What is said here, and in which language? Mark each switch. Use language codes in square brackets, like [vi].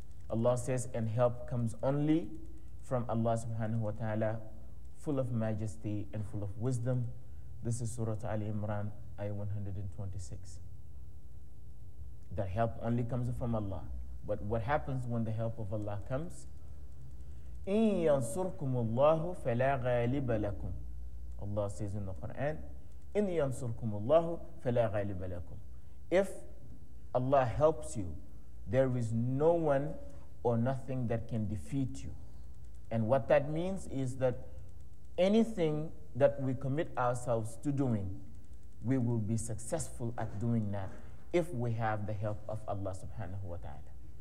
[en] Allah says, and help comes only from Allah subhanahu wa ta'ala, full of majesty and full of wisdom. This is Surah Ali Imran, ayah 126. That help only comes from Allah. But what happens when the help of Allah comes? [ar] إِن يَنْصُرْكُمُ اللَّهُ فَلَا غَالِبَ لَكُمْ. [en] Allah says in the Quran, [ar] إِن يَنْصُرْكُمُ اللَّهُ فَلَا غَالِبَ لَكُمْ. [en] If Allah helps you, there is no one or nothing that can defeat you. And what that means is that anything that we commit ourselves to doing, we will be successful at doing that if we have the help of Allah subhanahu wa ta'ala.